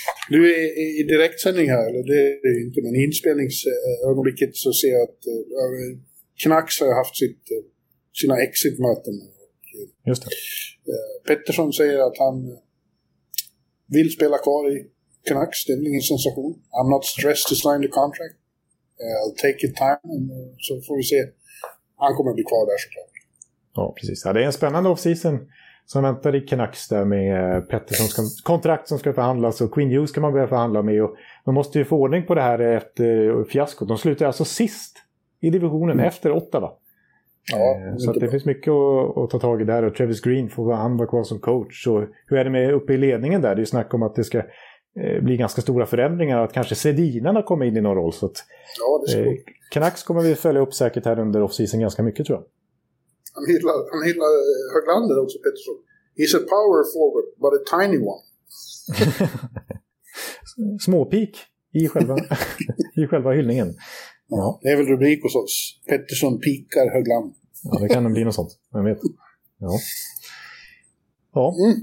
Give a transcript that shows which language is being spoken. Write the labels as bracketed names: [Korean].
[Swedish] Du är i direktsändning här, eller det är ju inte, men i inspelningsögonblicket så ser jag att Knax har haft sina exit-möten. Just det. Pettersson säger att han vill spela kvar i Canucks. Det är ingen sensation. [English] I'm not stressed to sign the contract. I'll take it time. [Swedish] Så får vi se. Han kommer bli kvar där såklart. Ja, precis. Ja, det är en spännande offseason som väntar i Canucks där, med Petterssons kontrakt som ska förhandlas, och Quinn Hughes kan man börja förhandla med. Och man måste ju få ordning på det här efter fiaskot. De slutar alltså sist i divisionen efter åtta, va? Ja, så att det finns mycket att ta tag i där. Och Travis Green, får han vara kvar som coach? Och hur är det med uppe i ledningen där? Det är ju snack om att det ska bli ganska stora förändringar, och att kanske Sedinarna kommer in i någon roll, så att, ja, det ska. Canucks kommer vi följa upp säkert här under offseason ganska mycket, tror jag. Han hyllar Höglander också, Pettersson. [English] He's a power forward, but a tiny one. [Swedish] Småpik i själva hyllningen. Ja, det är väl rubrik hos oss. Pettersson pikar Högland. Ja, det kan bli något sånt. Vem vet. Ja. Ja.